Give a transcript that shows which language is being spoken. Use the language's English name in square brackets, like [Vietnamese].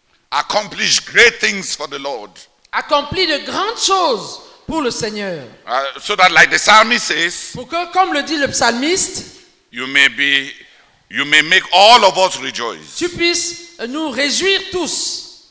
[English] Accomplish great things for the Lord. [French] Accomplis de grandes choses pour le Seigneur. [English] So that like the psalmist says. [French] Pour que comme le dit le psalmiste. [English] You may make all of us rejoice. [French] Tu puisses nous réjouir tous.